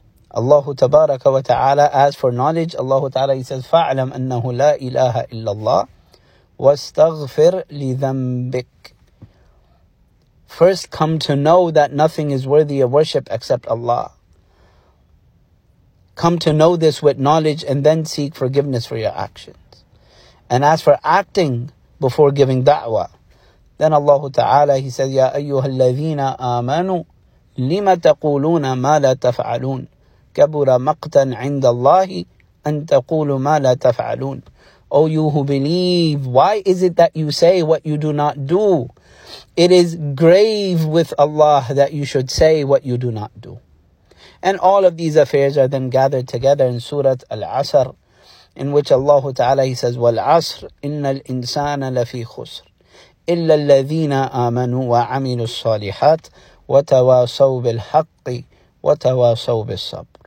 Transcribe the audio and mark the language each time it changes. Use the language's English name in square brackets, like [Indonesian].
[English] Allah Tabaraka wa Ta'ala, as for knowledge, Allah Ta'ala, he says, [Arabic] فَعْلَمْ أَنَّهُ لَا إِلَهَ إِلَّا اللَّهِ وَاسْتَغْفِرْ لِذَنْبِكَ. [English] First come to know that nothing is worthy of worship except Allah. Come to know this with knowledge and then seek forgiveness for your actions. And as for acting before giving da'wah, then Allah Ta'ala, he says, [Arabic] يَا أَيُّهَا الَّذِينَ آمَنُوا لِمَ تَقُولُونَ مَا لَا تَفْعَلُونَ كَبُرَ مَقْتًا عِنْدَ اللَّهِ أَن تَقُولُ مَا لَا تَفْعَلُونَ. [English] O you who believe, why is it that you say what you do not do? It is grave with Allah that you should say what you do not do. And all of these affairs are then gathered together in Surah Al-Asr, in which Allah Ta'ala, he says, [Arabic] وَالْعَصْرِ إِنَّ الْإِنسَانَ لَفِي خُسْرٍ إِلَّا الَّذِينَ آمَنُوا وَعَمِلُوا الصَّالِحَاتِ وَتَوَاصَوْا بِالْحَقِّ وَتَوَاصَوْا بِالصَّبْرِ.